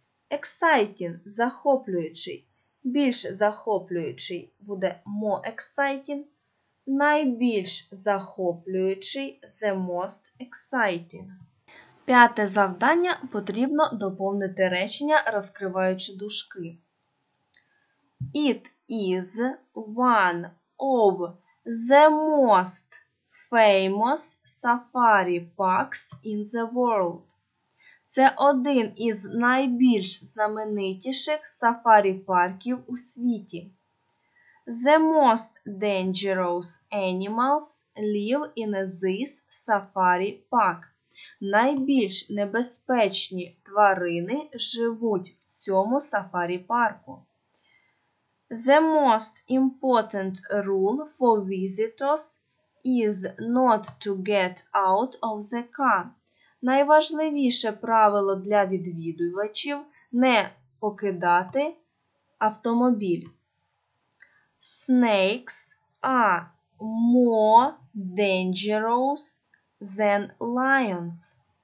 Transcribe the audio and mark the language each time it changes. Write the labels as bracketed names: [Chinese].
[Ukrainian] Exciting – захоплюючий. Більш захоплюючий буде [English] more exciting, [Ukrainian] найбільш захоплюючий – [English] the most exciting. [Ukrainian] П'яте завдання – потрібно доповнити речення, розкриваючи дужки. [English] It is one of the most famous safari parks in the world. [Ukrainian] Це один із найбільш знаменитіших сафарі-парків у світі. [English] The most dangerous animals live in this safari park. [Ukrainian] Найбільш небезпечні тварини живуть в цьому сафарі-парку. [English] The most important rule for visitors is not to get out of the car. [Ukrainian] Найважливіше правило для відвідувачів – не покидати автомобіль. [English] Snakes are more dangerous than lions.